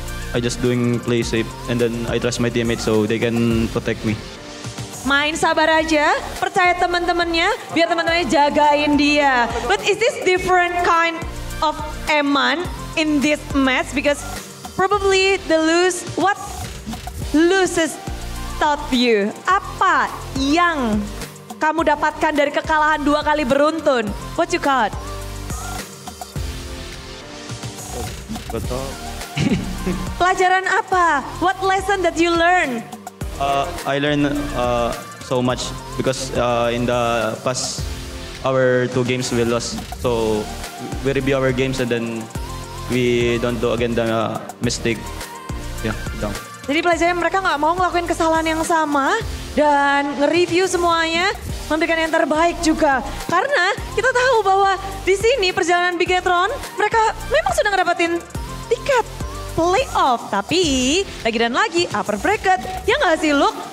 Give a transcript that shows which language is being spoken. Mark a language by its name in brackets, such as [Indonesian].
[English] I just doing play safe and then I trust my teammates so they can protect me. [Indonesian] Main sabar aja, percaya teman-temannya, biar teman-temannya jagain dia. [English] But is this different kind of Eman in this match? Because probably the lose, what loses taught you? [Indonesian] Apa yang kamu dapatkan dari kekalahan dua kali beruntun? [English] What you got? [Indonesian] Betul. Pelajaran apa? [English] What lesson that you learn? I learned so much because in the past our two games we lost. So we review our games and then we don't do again the mistake. Yeah. [Indonesian] Jadi pelajarannya mereka gak mau ngelakuin kesalahan yang sama dan nge-review semuanya, memberikan yang terbaik juga. Karena kita tahu bahwa di sini perjalanan Bigetron mereka memang sudah ngedapetin tiket playoff, tapi lagi dan lagi upper bracket, ya gak sih Luk?